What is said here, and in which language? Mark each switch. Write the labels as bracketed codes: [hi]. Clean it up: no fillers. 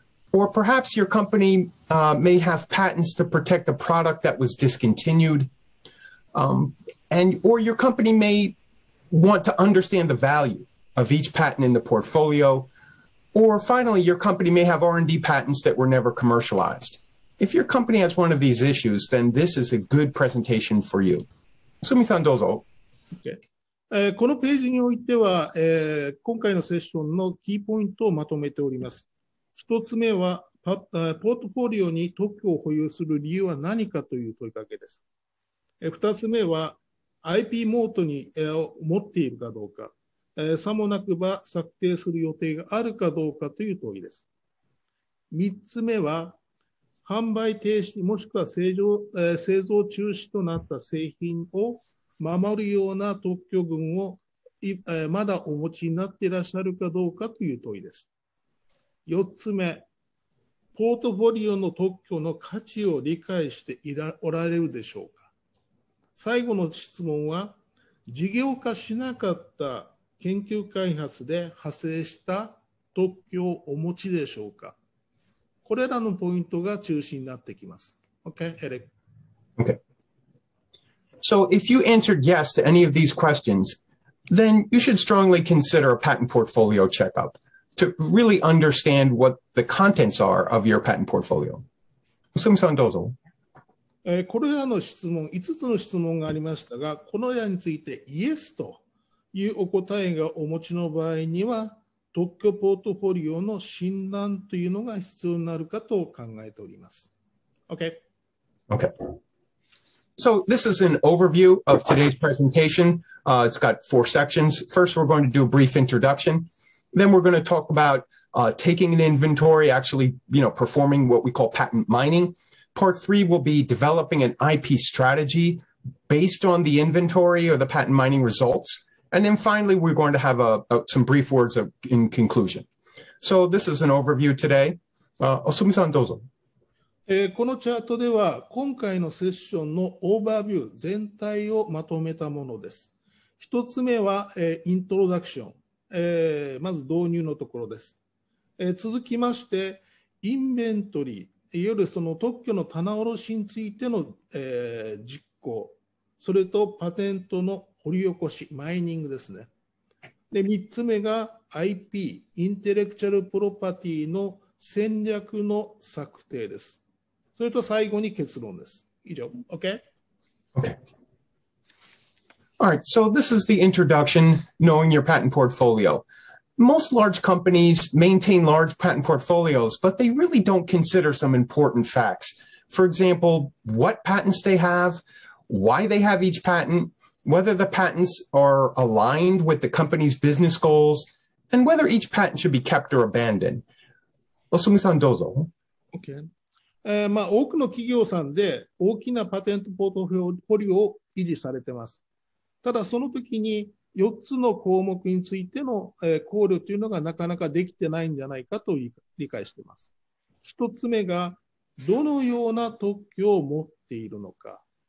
[en] Or perhaps your company may have patents to protect a product that was discontinued, or your company may want to understand the value of each patent in the portfolio, or finally, your company may have R&D patents that were never commercialized. If your company has one of these issues, then this is a good presentation for you. Sumi-san, dozo. Okay. [ja] このページにおいては、今回のセッションのキーポイントをまとめております。 1つ目は、ポートフォリオに特許を保有する理由は何かという問いかけです。 2つ目は、IP モートに、持っているかどうか、さもなくば策定する予定があるかどうかという問いです。 3つ目は、販売停止、もしくは製造中止となった製品を守るような特許群をまだお持ちになっていらっしゃるかどうかという問いです。 4つ目、ポートフォリオの特許の価値を理解していらおられるでしょうか。最後の質問は、事業化しなかった研究開発で発生した特許をお持ちでしょうか。これらのポイントが中心になってきます。 OK、エレック。 [en] Okay. So if you answered yes to any of these questions, then you should strongly consider a patent portfolio checkup to really understand what the contents are of your patent portfolio. Osumi-san, dozo. [ja] これらの質問、5つの質問がありましたが、このやについてイエスというお答えがお持ちの場合には、特許ポートフォリオの診断というのが必要になるかと考えております。 [en] OK。 Okay. So this is an overview of today's presentation. It's got four sections. First, we're going to do a brief introduction. Then we're going to talk about taking an inventory, actually, performing what we call patent mining. Part three will be developing an IP strategy based on the inventory or the patent mining results. And then finally, we're going to have some brief words in conclusion. So this is an overview today. Osumi-san, dozo. [ja] このチャートでは、今回のセッションのオーバービュー全体をまとめたものです。1つ目は、イントロダクション。まず導入のところです。続きまして、インベントリー、いわゆるその特許の棚卸しについての、実行、それとパテントの掘り起こし、マイニングですね。で、3つ目が IP、インテレクチャルプロパティの戦略の策定です。それと最後に結論です。以上。OK? [en] OK. All right, so this is the introduction, knowing your patent portfolio. Most large companies maintain large patent portfolios, but they really don't consider some important facts. For example, what patents they have, why they have each patent, whether the patents are aligned with the company's business goals, and whether each patent should be kept or abandoned. Osumi-san, dozo. Okay. [ja] 多くの企業さんで大きなパテントポートフォリオを維持されています。ただその時に4つの項目についての考慮というのがなかなかできてないんじゃないかと理解しています。 1つ目がどのような特許を持っているのか。